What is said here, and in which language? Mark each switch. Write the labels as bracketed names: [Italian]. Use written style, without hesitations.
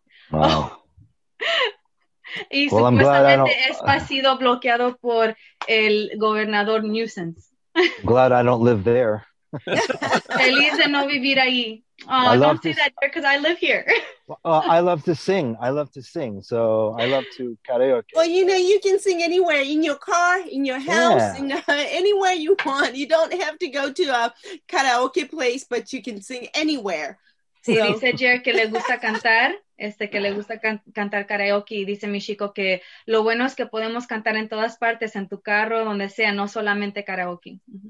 [English] Wow. [Spanish] Y well, supuestamente ESPA ha sido bloqueado por el gobernador Nuisance. [English] Glad I don't live there. [Spanish] Feliz de no vivir ahí. [English] Oh, I love don't say that because I live here. I love to sing. I love to sing. So I love to karaoke. Well, you know, you can sing anywhere, in your car, in your house, anywhere you want. You don't have to go to a karaoke place, but you can sing anywhere. [Spanish] Sí, dice Jer que le gusta cantar, que le gusta cantar karaoke. Dice mi chico que lo bueno es que podemos cantar en todas partes, en tu carro, donde sea, no solamente karaoke.